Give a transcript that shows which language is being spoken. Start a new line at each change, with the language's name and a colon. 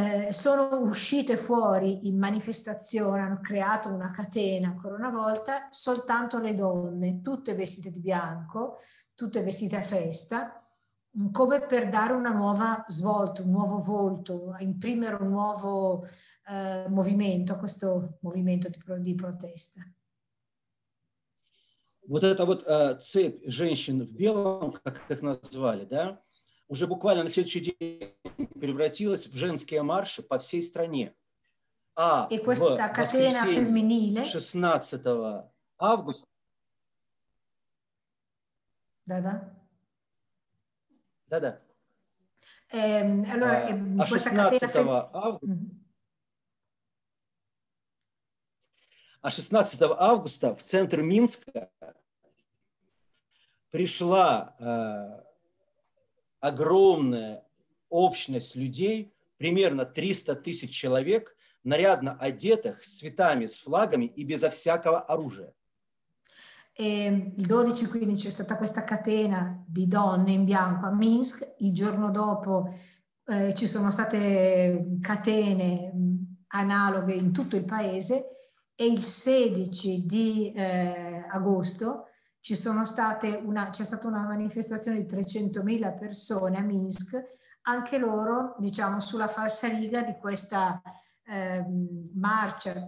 Italian: Sono uscite fuori in manifestazione, hanno creato una catena ancora una volta, soltanto le donne, tutte vestite di bianco, tutte vestite a festa, come per dare una nuova svolta, un nuovo volto, imprimere un nuovo movimento a questo movimento di protesta.
Russian: Вот эта вот цепь женщин в белом, как их назвали, да, уже буквально на следующий день превратилась в женские марши по всей стране. А и в воскресенье 16 августа... Да-да. Да-да.
Italian: Allora,
Russian: 16 августа... А 16 августа в центр Минска пришла огромная общность людей, примерно 300 тысяч человек, нарядно одетых, с цветами, с флагами и безо всякого оружия.
Italian: Il 12-15 c'è stata questa catena di donne in bianco a Minsk. Il giorno dopo ci sono state catene analoghe in tutto il paese. E il 16 di agosto c'è stata una manifestazione di 300.000 persone a Minsk, anche loro, diciamo, sulla falsa riga di questa marcia.